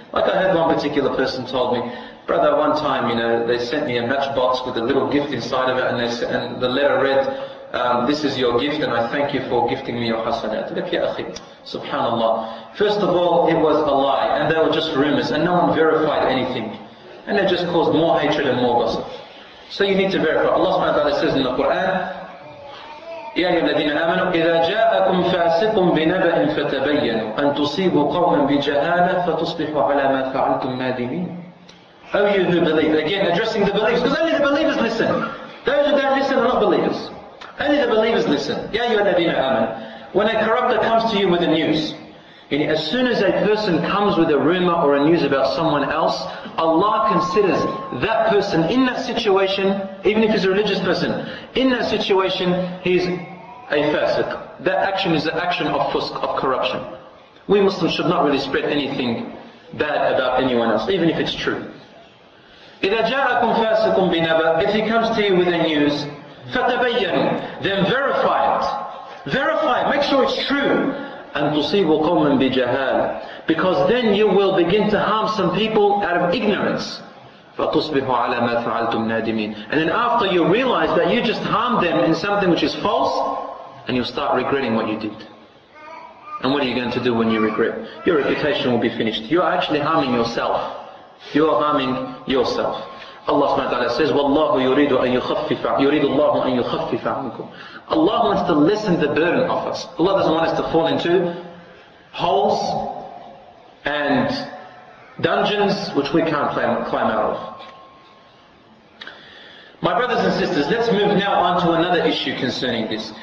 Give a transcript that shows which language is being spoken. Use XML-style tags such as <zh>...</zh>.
<en>Like I heard one particular person told me, brother, one time, you know, they sent me a matchbox with a little gift inside of it, and the letter read, this is your gift and I thank you for gifting me your hasanat. Look, ya akhi, subhanAllah. First of all, it was a lie, and they were just rumors, and no one verified anything. And it just caused more hatred and more gossip. So you need to verify. Allah subhanahu wa ta'ala says in the Quran,</en> <ar>يَا أَيُّهَا الَّذِينَ آمَنُوا إِذَا جَاءَكُمْ فَاسِقٌ بِنَبَإٍ فَتَبَيَّنُوا أَن تُصِيبُوا قَوْمًا بِجَهَالَةٍ فَتُصْبِحُوا عَلَى مَا فَعَلْتُمْ نَادِمِينَ.</ar> <en>Oh, you who believe. Again, addressing the believers. Because only the believers listen. Those who don't listen are not believers. Only the believers listen.</en> <ar>يَا أَيُّهَا الَّذِينَ آمَنُوا.</ar> <en>When a corruptor comes to you with the news, and as soon as a person comes with a rumor or a news about someone else, Allah considers that person in that situation, even if he's a religious person, in that situation, he's a fasiq. That action is the action of fusk, of corruption. We Muslims should not really spread anything bad about anyone else, even if it's true.</en> <ar>إِذَا جَاءَكُمْ فَاسِقٌ بِنَبَأٍ.</ar> <en>If he comes to you with a news,</en> <ar>فَتَبَيَّنُ.</ar> <en>Then verify it. Verify it. Make sure it's true.</en> <ar>And تصيب قوما بجهال.</ar> <en>Because then you will begin to harm some people out of ignorance.</en> <ar>فَتُصْبِحُ عَلَى مَا فَعَلْتُمْ نَادِمِينَ.</ar> <en>And then after you realize that you just harmed them in something which is false, and you'll start regretting what you did. And what are you going to do when you regret? Your reputation will be finished. You are actually harming yourself. You are harming yourself. Allah subhanahu wa ta'ala says,</en> <ar>وَاللَّهُ يُرِيدُ أَن يُخَفِّفَ يُرِيدُ اللَّهُ أَن يُخَفِّفَ عَنْكُمْ.</ar> <en>Allah wants to lessen the burden of us. Allah doesn't want us to fall into holes and dungeons which we can't climb out of. My brothers and sisters, let's move now on to another issue concerning this.</en>